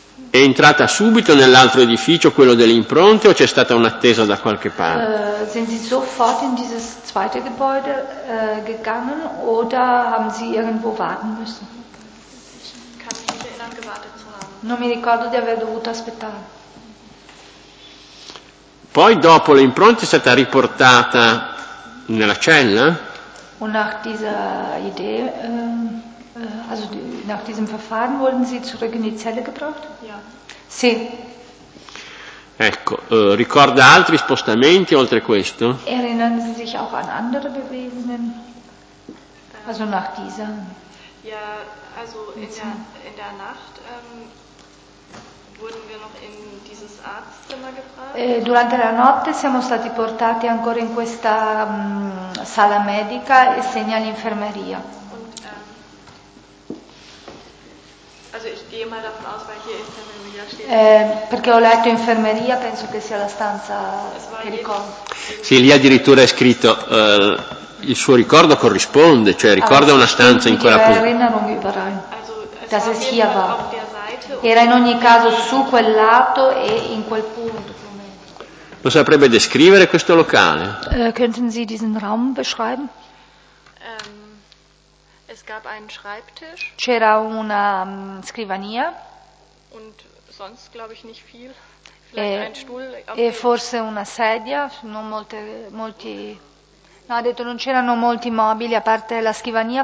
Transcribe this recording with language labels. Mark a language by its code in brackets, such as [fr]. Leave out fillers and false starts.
[it] È entrata subito nell'altro edificio, quello delle impronte, o c'è stata un'attesa da qualche parte? [de] Sind Sie sofort in dieses zweite Gebäude gegangen oder haben Sie irgendwo warten müssen? Ich kann mich nicht erinnern, gewartet zu haben. [it] Non mi ricordo di aver dovuto aspettare. Poi dopo le impronte è stata riportata nella cella? [de] Und nach dieser Idee also nach diesem Verfahren wurden Sie zurück in die Zelle gebracht? Ja. [it] Sì. Ecco, ricorda altri spostamenti oltre questo? [de] Erinnern Sie sich auch an andere Bewegungen? Also nach dieser? Ja, also in der Nacht wurden wir noch in dieses Arztzimmer gebracht. [it] Durante la notte siamo stati portati ancora in questa sala medica e segna l'infermeria. [de] Also ich gehe mal davon aus, weil hier Infermeria steht. [it] Perché ho letto infermeria, penso che sia la stanza che ricordo. Sì, lì addirittura è scritto il suo ricordo corrisponde, cioè ricorda una stanza in quella posizione. [de] Das ist hier war. [it] Era in ogni caso su quel lato e in quel punto. Lo saprebbe descrivere questo locale? [de] Könnten Sie diesen Raum beschreiben? Es gab einen Schreibtisch. [it] C'era una scrivania. [de] Und sonst glaube ich nicht viel. Vielleicht ein Stuhl. [it] E forse una sedia. Non molte, molti. No, ha detto non c'erano molti mobili a parte la scrivania.